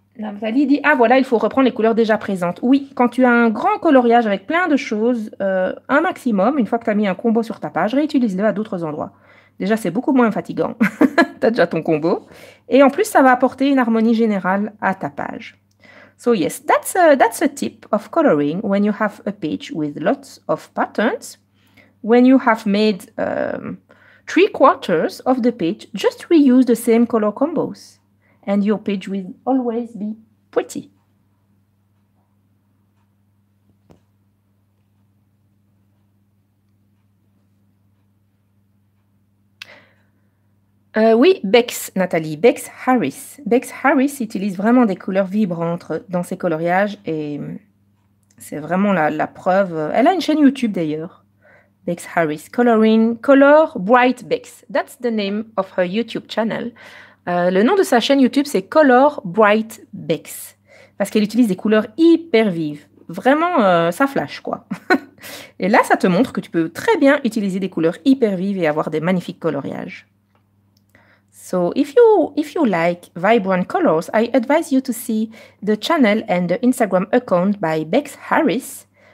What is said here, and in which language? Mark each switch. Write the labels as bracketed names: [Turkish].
[French] Nathalie dit, ah voilà, il faut reprendre les couleurs déjà présentes. Oui, quand tu as un grand coloriage avec plein de choses, un maximum, une fois que tu as mis un combo sur ta page, réutilise-le à d'autres endroits. Déjà, c'est beaucoup moins fatigant. Tu as déjà ton combo. Et en plus, ça va apporter une harmonie générale à ta page. [English] So yes, that's a tip of coloring when you have a page with lots of patterns. When you have made three quarters of the page, just reuse the same color combos and your page will always be pretty. [French] Oui, Bex, Nathalie, Bex Harris. Bex Harris utilise vraiment des couleurs vibrantes dans ses coloriages et c'est vraiment la preuve. Elle a une chaîne YouTube d'ailleurs. Bex Harris, Coloring, Color Bright Bex. [English] That's the name of her YouTube channel. [French] Le nom de sa chaîne YouTube, c'est Color Bright Bex. Parce qu'elle utilise des couleurs hyper vives. Vraiment, ça flash, quoi. Et là, ça te montre que tu peux très bien utiliser des couleurs hyper vives et avoir des magnifiques coloriages. [English] So, if you like vibrant colors, I advise you to see the channel and the Instagram account by Bex Harris.